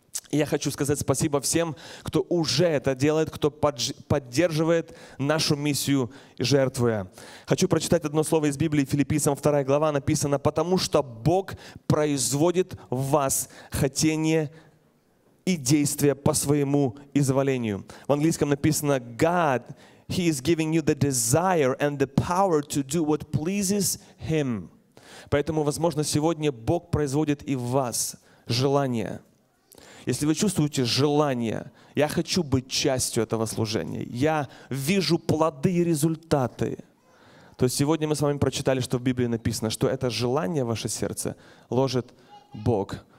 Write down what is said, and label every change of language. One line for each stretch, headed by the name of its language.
Russian: Я хочу сказать спасибо всем, кто уже это делает, кто поддерживает нашу миссию, жертвуя. Хочу прочитать одно слово из Библии, Филиппийцам 2 глава написано, «Потому что Бог производит в вас хотение и действие по своему изволению». В английском написано «God».
English: He is giving you the desire and the power to do what pleases Him.
Russian: Поэтому, возможно, сегодня Бог производит и в вас желание. Если вы чувствуете желание, я хочу быть частью этого служения, я вижу плоды и результаты, то сегодня мы с вами прочитали, что в Библии написано, что это желание в ваше сердце ложит Бог.